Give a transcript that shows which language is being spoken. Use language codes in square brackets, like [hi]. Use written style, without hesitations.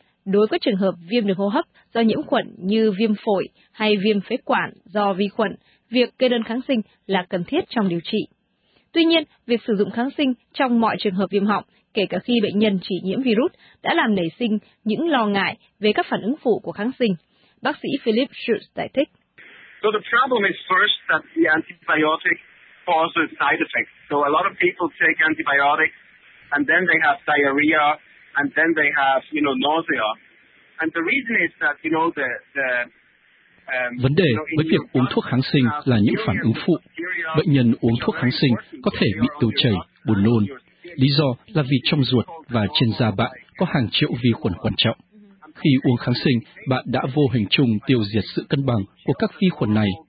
[vi] Đối với trường hợp viêm đường hô hấp do nhiễm khuẩn như viêm phổi hay viêm phế quản do vi khuẩn, việc kê đơn kháng sinh là cần thiết trong điều trị. Tuy nhiên, việc sử dụng kháng sinh trong mọi trường hợp viêm họng, kể cả khi bệnh nhân chỉ nhiễm virus, đã làm nảy sinh những lo ngại về các phản ứng phụ của kháng sinh. Bác sĩ Philip Schultz giải thích. [en] So the problem is first that the antibiotic causes side effects. So a lot of people take antibiotics and then they have diarrhea and then they have, you know, nausea. And the reason is that, you know, the [vi] vấn đề với việc uống thuốc kháng sinh là những phản ứng phụ. Bệnh nhân uống thuốc kháng sinh có thể bị tiêu chảy, buồn nôn. Lý do là vì trong ruột và trên da bạn có hàng triệu vi khuẩn quan trọng. Khi uống kháng sinh, bạn đã vô hình chung tiêu diệt sự cân bằng của các vi khuẩn này.